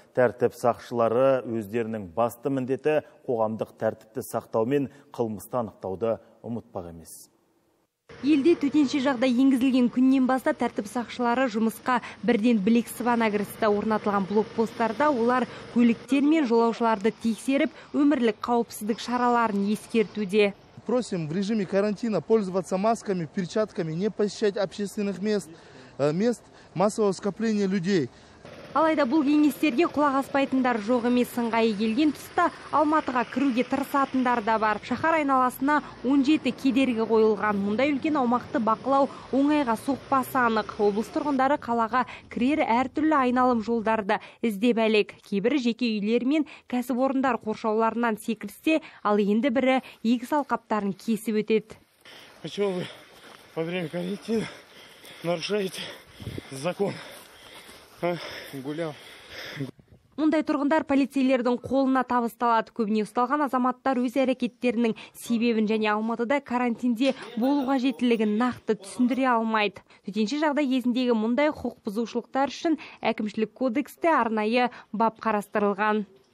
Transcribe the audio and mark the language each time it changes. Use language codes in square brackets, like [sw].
[kk] Тәртіп сақшылары өздерінің басты міндеті қоғамдық тәртіпті сақтау мен қылмысты анықтауды ұмытпақ емес. Елде төтенше жағдай енгізілген күннен баста тәртіп сақшылары жұмысқа бірден білек сыбана кірісті. Орнатылған блокпостарда олар көліктер мен жолаушыларды тексеріп, өмірлік қауіпсіздік шараларын ескертуде. [ru] Просим в режиме карантина пользоваться масками, перчатками, не посещать общественных мест массового скопления людей. [kk] Алайда бұл кеңестерге құлақ аспайтындар жоқ емес. Сыңғайы келген тұста Алматыға кіруге тырысатындар да бар. Шахар айналасына 17 кедергі қойылған. Мұндай үлкен аумақты бақылау оңайға соқпасы анық. Облыс тұрғындары қалаға кірер әртүрлі айналым жолдарды іздеп әлек. Кейбірі жеке үйлер мен кәсіпорындар қоршауларынан секірсе, ал енді бірі егіс алқаптарын кесіп өтеді. [ru] Почему во время карантина нарушаете закон? Гулял. [kk] Мұндай тұрғындар полицейлердің қолына табысталады. Көбіне ұсталған азаматтар өз әрекеттерінің себебін және Алматыда карантинде болуға жетілігін нақты түсіндіре алмайды. Төтенше жағдай кезіндегі мұндай құқық бұзушылықтар үшін әкімшілік кодексте арнайы бап қарастырылған.